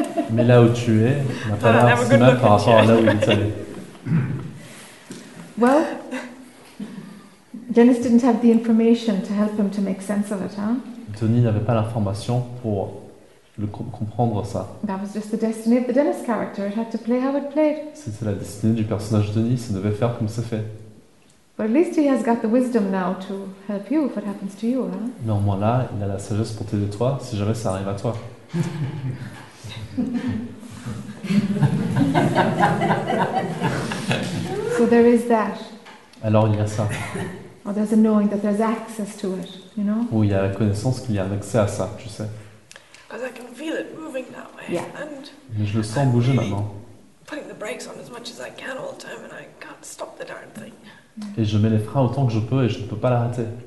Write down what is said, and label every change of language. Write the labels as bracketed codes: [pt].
[fr] Mais là où tu es, n'a pas l'air si mal par rapport à là où il est allé. [en] Well, Dennis didn't have the information to help him to make sense of it, huh? [fr] Denis n'avait pas l'information pour le comprendre ça. [en] That was just the destiny of the Dennis character. It had to play how it played. [fr] C'était la destinée du personnage Denis. Ça devait faire comme ça fait. [en] But at least he has got the wisdom now to help you if it happens to you, huh? [fr] Mais au moins là, il a la sagesse pour t'aider toi si jamais ça arrive à toi. [en] So there is that. [fr] Alors il y a ça. [en] Or there's a knowing that there's access to it, you know? [fr] Où il y a la connaissance qu'il y a un accès à ça, tu sais. [en] Because I can feel it moving that way. Yeah. And [fr] mais je le sens bouger maintenant. [en] Putting the brakes on as much as I can all the time and I can't stop the darn thing. [fr] Et je mets les freins autant que je peux et je ne peux pas l'arrêter.